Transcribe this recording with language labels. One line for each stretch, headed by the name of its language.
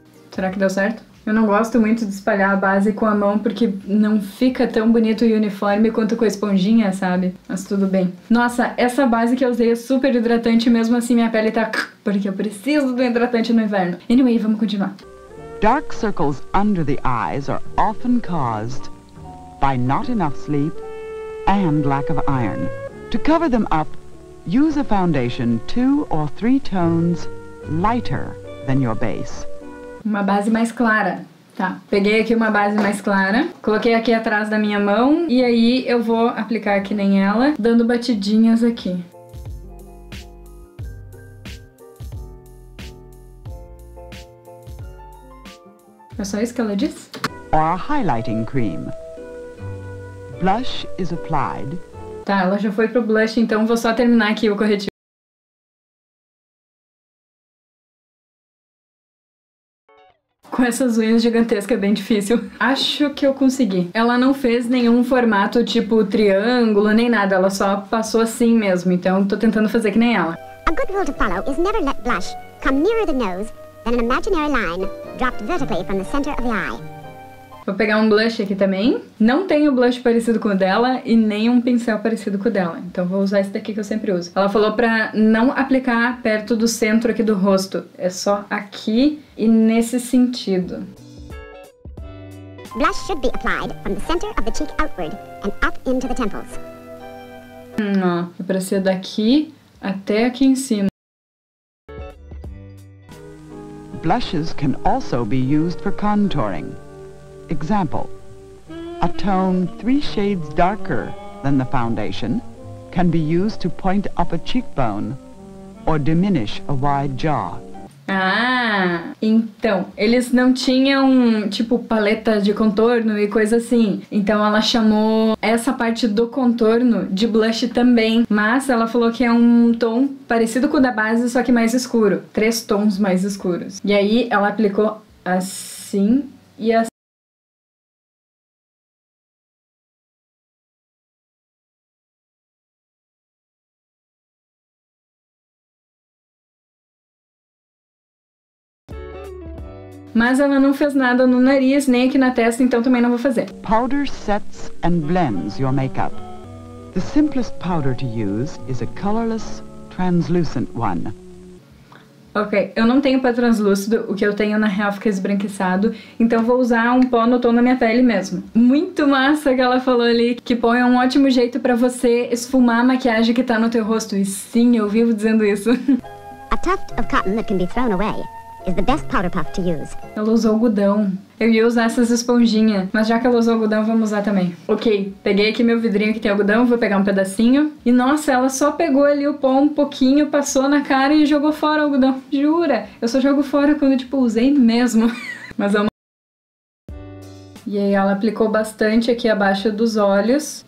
Portuguese: Será que deu certo? Eu não gosto muito de espalhar a base com a mão porque não fica tão bonito e uniforme quanto com a esponjinha, sabe? Mas tudo bem. Nossa, essa base que eu usei é super hidratante, mesmo assim minha pele tá... porque eu preciso do hidratante no inverno. Anyway, vamos continuar.
English: Dark circles under the eyes are often caused by not enough sleep and lack of iron. To cover them up, use a foundation 2 or 3 tones lighter than your base.
Portuguese: Uma base mais clara. Tá, peguei aqui uma base mais clara, coloquei aqui atrás da minha mão e aí eu vou aplicar aqui nem ela, dando batidinhas aqui. É só isso que ela diz?
English: Or a highlighting cream. Blush is applied.
Portuguese: Tá, ela já foi pro blush, então vou só terminar aqui o corretivo. Com essas unhas gigantescas é bem difícil. Acho que eu consegui. Ela não fez nenhum formato tipo triângulo, nem nada. Ela só passou assim mesmo, então tô tentando fazer que nem ela.
English: A good rule to follow is never let blush come nearer the nose than an imaginary line dropped vertically from the center of the eye.
Portuguese: Vou pegar um blush aqui também. Não tenho blush parecido com o dela e nem um pincel parecido com o dela. Então vou usar esse daqui que eu sempre uso. Ela falou pra não aplicar perto do centro aqui do rosto. É só aqui e nesse sentido.
English: Blush should be applied from the center of the cheek outward and up into the temples.
Portuguese: Ó, é pra ser daqui até aqui em cima.
English: Blushes can also be used for contouring. Example, a tone 3 shades darker than the foundation can be used to point up a cheekbone or diminish a wide jaw.
Portuguese: Ah, então, eles não tinham, tipo, paleta de contorno e coisa assim. Então ela chamou essa parte do contorno de blush também. Mas ela falou que é um tom parecido com o da base, só que mais escuro. 3 tons mais escuros. E aí ela aplicou assim e assim. Mas ela não fez nada no nariz, nem aqui na testa, então também não vou fazer.
English: Powder sets and blends your makeup. The simplest powder to use is a colorless, translucent one.
Portuguese: Ok, eu não tenho pó translúcido, o que eu tenho na real fica esbranquiçado, então vou usar um pó no tom da minha pele mesmo. Muito massa que ela falou ali, que pó é um ótimo jeito pra você esfumar a maquiagem que tá no teu rosto. E sim, eu vivo dizendo isso.
English: A tuft of cotton that can be thrown away is the best powder puff to use.
Portuguese: Ela usou algodão. Eu ia usar essas esponjinhas, mas já que ela usou algodão, vamos usar também. Ok, peguei aqui meu vidrinho que tem algodão, vou pegar um pedacinho. E nossa, ela só pegou ali o pó um pouquinho, passou na cara e jogou fora o algodão. Jura? Eu só jogo fora quando, tipo, usei mesmo. Mas é uma... E aí ela aplicou bastante aqui abaixo dos olhos.